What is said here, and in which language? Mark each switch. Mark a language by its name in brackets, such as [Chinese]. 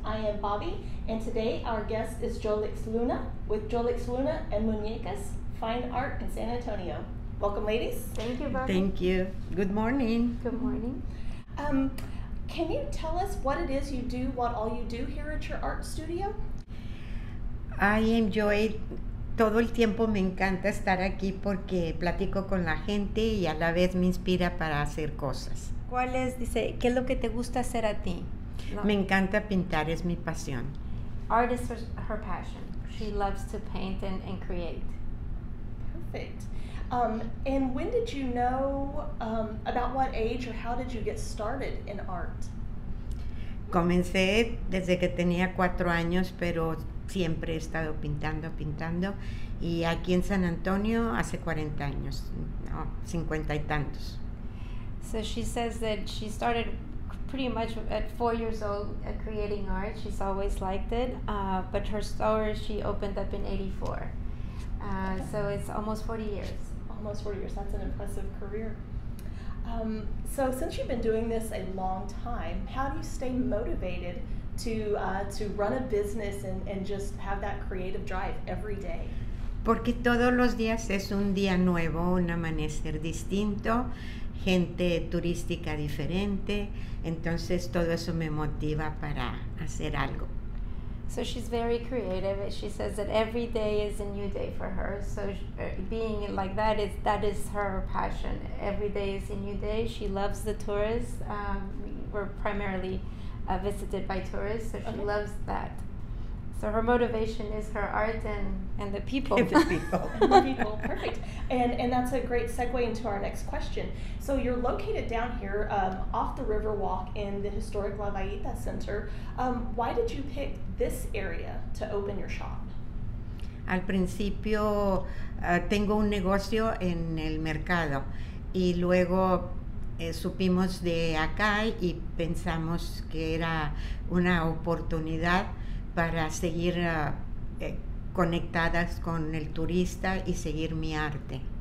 [English] I am Bobby, and today our guest is Yolix Luna with Yolix Luna and Munecas Fine Art in San Antonio. Welcome, ladies. Thank you, Bobby. Thank you. Good morning. Good morning. Can you tell us what it is you do, what all you do here at your art studio? [Spanish] I enjoy todo el tiempo, me encanta estar aquí porque platico con la gente y a la vez me inspira para hacer cosas. ¿Cuál es, dice, qué es lo que te gusta hacer a ti? Me encanta pintar, es mi pasión. [English] Art is her passion. She loves to paint and create. Perfect. And when did you know, about what age or how did you get started in art? [Spanish] Comencé desde que tenía 4 años, pero siempre he estado pintando. Y aquí en San Antonio hace 40 años, no, 50 y tantos. [English] So she says that she started pretty much at 4 years old creating art. She's always liked it, but her store she opened up in 84. So it's almost 40 years. Almost 40 years, that's an impressive career. So since you've been doing this a long time, how do you stay motivated to run a business and just have that creative drive every day? [Spanish] Porque todos los días es un día nuevo, un amanecer distinto, gente turística diferente, entonces todo eso me motiva para hacer algo. [English] So she's very creative. She says that every day is a new day for her. So being like that, that is her passion. Every day is a new day. She loves the tourists. We're primarily visited by tourists, so she loves that. So her motivation is her art and the people. And the people. Perfect. And that's a great segue into our next question. So you're located down here off the Riverwalk in the historic La Villita Center. Why did you pick this area to open your shop? [Spanish] Al principio tengo un negocio en el mercado y luego supimos de acá y pensamos que era una oportunidad para seguir conectadas con el turista y seguir mi arte.